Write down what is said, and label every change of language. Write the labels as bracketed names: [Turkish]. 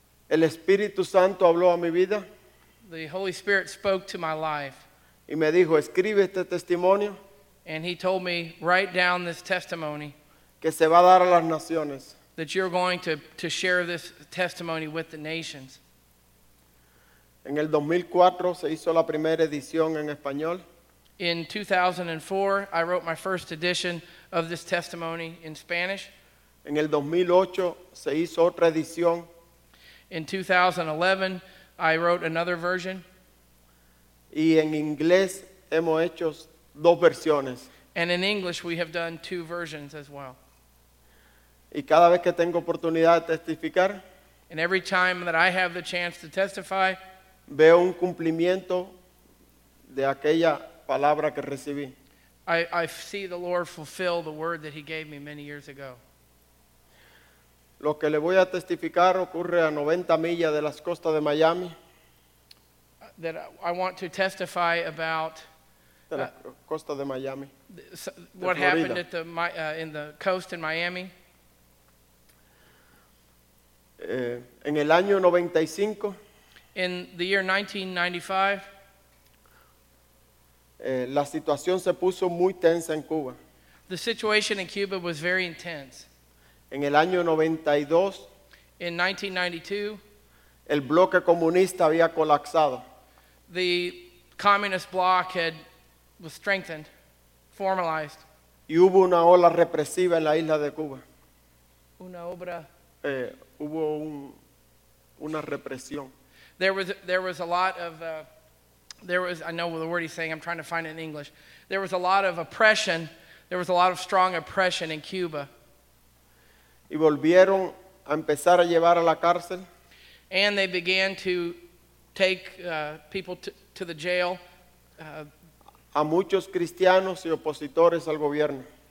[Spanish] El Espíritu Santo habló a mi vida. [English] The Holy Spirit spoke to my life. [Spanish] Y me dijo, escribe este testimonio. [English] And he told me, write down this testimony. [Spanish] Que se va a dar a las naciones. [English] That you're going to share this testimony with the nations. [Spanish] En el 2004 se hizo la primera edición en español. [English] In 2004, I wrote my first edition of this testimony in Spanish. [Spanish] En el 2008 se hizo otra edición. [English] In 2011, I wrote another version. [Spanish] Y en inglés hemos hecho dos versiones. [English] And in English, we have done two versions as well. [Spanish] Y cada vez que tengo oportunidad de testificar, [English] and every time that I have the chance to testify, [Spanish] veo un cumplimiento de aquella palabra que recibí. [English] I see the Lord fulfill the word that he gave me many years ago. [Spanish] Lo que le voy a testificar ocurre a 90 millas de las costas de Miami. [English] That I want to testify about [Spanish] de la costa de Miami. [English] What happened at the in the coast in Miami. [Spanish] En el año 95, [English] in the year 1995, [Spanish] la situación se puso muy tensa en Cuba. [English] The situation in Cuba was very intense. [Spanish] En el año 92, [English] in 1992, [Spanish] el bloque comunista había colapsado. [English] The communist bloc had was strengthened, formalized. [Spanish] Y hubo una ola represiva en la isla de Cuba. Una obra. Hubo una represión. [English] There was a lot of I know the word he's saying, I'm trying to find it in English. There was a lot of oppression. There was a lot of strong oppression in Cuba. [Spanish] Y volvieron a empezar a llevar a la cárcel. [English] And they began to take people to the jail. [Spanish] A muchos cristianos y opositores al gobierno.